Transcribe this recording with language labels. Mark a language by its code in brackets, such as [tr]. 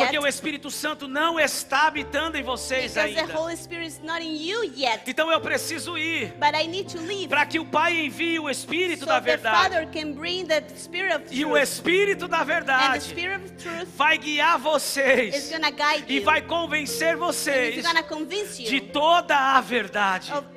[pt] Porque o Espírito Santo não está habitando em vocês [en] because [pt] ainda. [en] The Holy Spirit is not in you yet. [pt] Então eu preciso ir. [en] But I need to leave. [pt] Para que o Pai envie o Espírito [en] so [pt] da verdade. [en] The Father can bring the Spirit of truth. [pt] O Espírito da verdade vai guiar vocês e vai convencer vocês de toda a verdade.